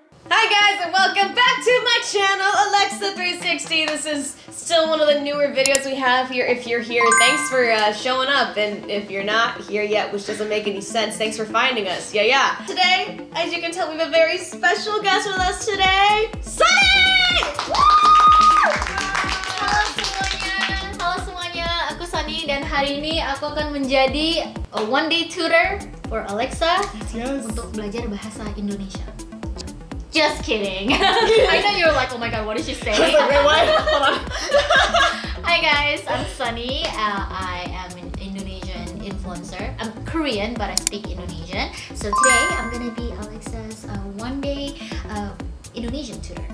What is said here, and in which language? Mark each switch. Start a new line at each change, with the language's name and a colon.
English: Hi guys and welcome back to my channel, Alexa360. This is still one of the newer videos we have here. If you're here, thanks for showing up. And if you're not here yet, which doesn't make any sense, thanks for finding us. Yeah, yeah. Today, as you can tell, we have a very special guest with us today.
Indonesian: Sunny! Woo! Hello, semuanya. Halo semuanya, aku Sunny. Dan hari ini aku akan menjadi
English: a one-day tutor for Alexa. Yes.
Indonesian: Untuk belajar bahasa Indonesia.
English: Just kidding. I know you're like, oh my god, what is she saying? Like, wait, what? Hi guys, I'm Sunny. I am an Indonesian influencer. I'm Korean, but I speak Indonesian. So today, I'm gonna be Alexa's one-day Indonesian tutor.